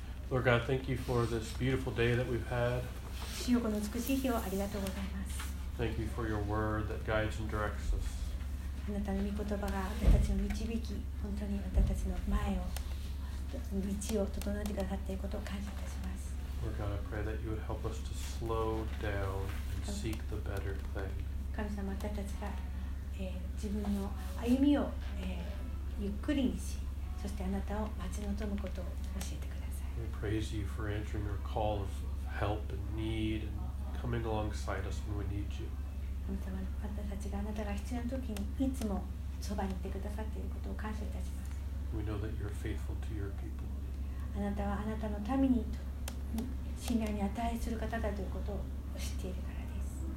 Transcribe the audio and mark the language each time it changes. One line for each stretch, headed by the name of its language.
English: Lord God, thank you for this beautiful day that we've had.
Japanese: 主よ、この美しい日をありがとうございます。
English: Thank you for your word that guides and directs us.
Japanese: あなたの御言葉が私たちの導き、本当に私たちの前を、道を整えてくださっていることを感謝いたします。
English: Lord God, I pray that you would help us to slow down and seek the better thing.
Japanese: 神様、私たちが自分の歩みを、ゆっくりにし、そしてあなたを待ち望むことを教えてください。
English: We praise you for answering our call of help and need and coming alongside us when we need you.
Japanese: 神様、私たちがあなたが必要な時にいつもそばにいてくださっていることを感謝いたします。
English: We know that you're faithful to your people.
Japanese: あなたはあなたの民に信頼に値する方だということを知っているからです。